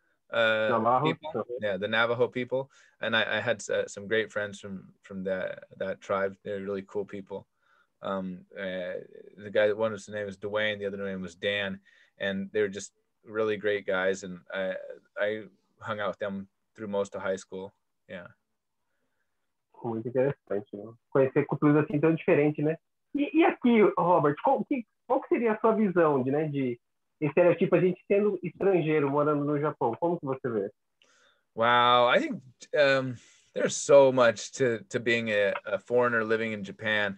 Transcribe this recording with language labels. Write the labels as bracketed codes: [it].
[en] The Navajo people, and I had some great friends from that tribe. They're really cool people. The guy, one of his name is Dwayne, the other name was Dan, and they're just really great guys. And I hung out with them through most of high school. Yeah. [pt] Muito interessante, né? Conhecer culturas assim tão diferentes, né? E aqui, Robert, qual seria a sua visão, né, de estereotipo a gente sendo estrangeiro morando no Japão, como que você vê? [en] Wow, I think there's so much to being a foreigner living in Japan.